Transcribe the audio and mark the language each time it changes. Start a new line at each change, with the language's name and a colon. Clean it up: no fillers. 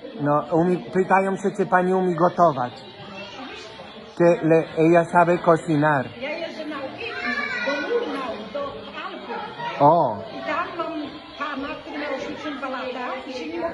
Polish: No, pytają się, czy pani umie gotować.
Spanish: Que le, ella sabe cocinar.
Polish: Ja jestem naukowcem, do Alpów. O. I tam mam pana, który miał 82 lata i się nie mogę